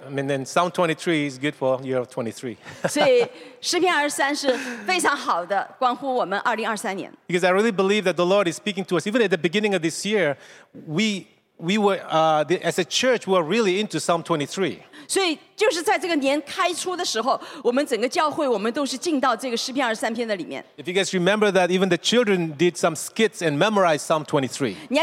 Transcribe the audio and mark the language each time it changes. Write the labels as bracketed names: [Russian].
[English] I mean, then Psalm 23 is good for year of 23. Because I really believe that the Lord is speaking to us. Even at the beginning of this year, we were really into Psalm 23. [Chinese] 所以就是在这个年开初的时候，我们整个教会我们都是进到这个诗篇23篇的里面。 [English] If you guys remember that, even the children did some skits and memorized Psalm 23.